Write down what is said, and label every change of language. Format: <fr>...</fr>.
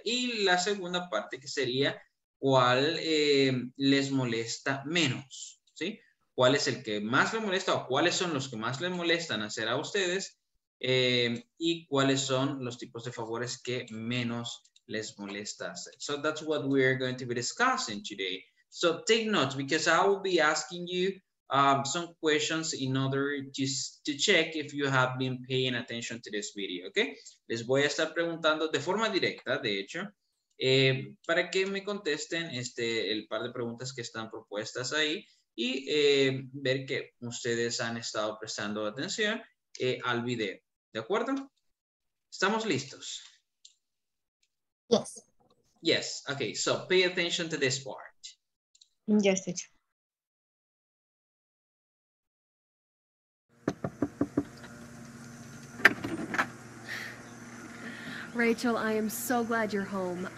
<es>Y la segunda parte que sería, ¿cuál les molesta menos? ¿Sí? ¿Cuál es el que más le molesta o cuáles son los que más les molestan hacer a ustedes? Y cuáles son los tipos de favores que menos les molesta hacer.</es> <en>So that's what we're going to be discussing today. So take notes because I will be asking you some questions in order to check if you have been paying attention to this video, okay?</en> <es>Les voy a estar preguntando de forma directa, de hecho, para que me contesten el par de preguntas que están propuestas ahí y ver que ustedes han estado prestando atención al video, ¿de acuerdo? ¿Estamos listos?</es> <en>Yes. Yes, okay, so pay attention to this part. Yes, teacher. Rachel, I am so glad you're home.</en>